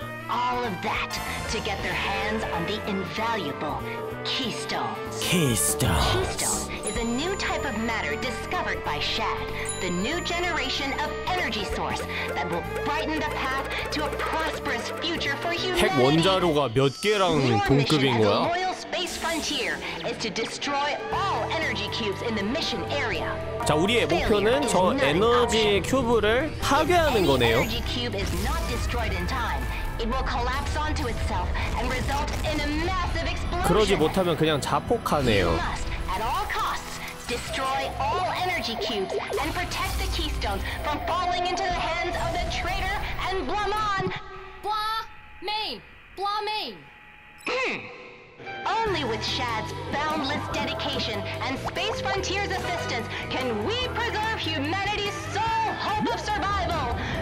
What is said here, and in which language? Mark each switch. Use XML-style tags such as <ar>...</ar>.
<en>All of that to get their hands on the invaluable Keystone is a new type of matter discovered by Shad, the new generation of energy source that will brighten the path to a prosperous future for humanity.</en> <ko>핵 원자로가 몇 개랑 동급인 거야?</ko> <en>Your mission as a loyal space frontier is to destroy all energy cubes in the mission area.</en> <ko>자, 우리의 목표는 저 에너지 큐브를 파괴하는 거네요.</ko> <en>Any energy cube is not destroyed in time. It will collapse onto itself and result in a massive explosion.</en> <ko>그러지 못하면 그냥 자폭하네요.</ko> <en>At all costs, destroy all energy cubes and protect the keystones from falling into the hands of the traitor and Blamain. Blamain. Only with Shad's boundless dedication and Space Frontier's assistance can we preserve humanity's sole hope of survival.</en>